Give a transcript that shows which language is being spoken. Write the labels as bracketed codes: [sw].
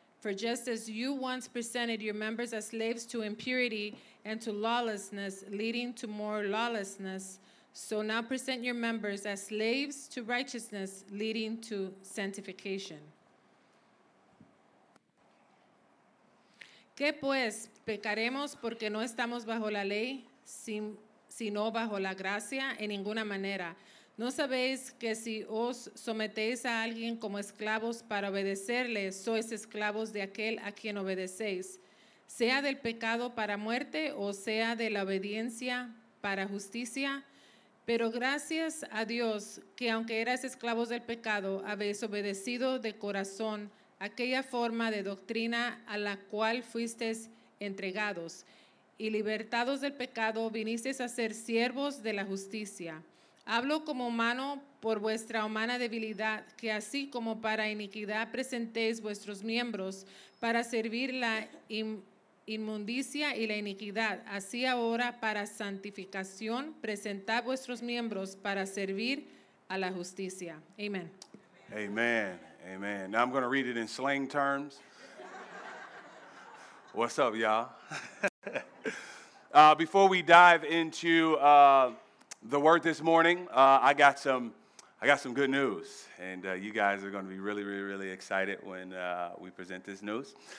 [en] For just as you once presented your members as slaves to impurity and to lawlessness, leading to more lawlessness, so now present your members as slaves to righteousness, leading to sanctification. [es] ¿Qué pues? ¿Pecaremos porque no estamos bajo la ley, sino bajo la gracia? En ninguna manera. ¿No sabéis que si os sometéis a alguien como esclavos para obedecerle, sois esclavos de aquel a quien obedecéis, sea del pecado para muerte o sea de la obediencia para justicia? Pero gracias a Dios que aunque erais esclavos del pecado, habéis obedecido de corazón aquella forma de doctrina a la cual fuisteis entregados, y libertados del pecado, vinisteis a ser siervos de la justicia. Hablo como humano por vuestra humana debilidad, que así como para iniquidad presentéis vuestros miembros para servir la inmundicia y la iniquidad, así ahora para santificación presentad vuestros miembros para servir a la justicia. [en] Amen. Amen. Amen. Now I'm going to read it in slang terms. What's up, y'all? Before we dive into the word this morning, I got some good news, and you guys are going to be really, really, really excited when we present this news.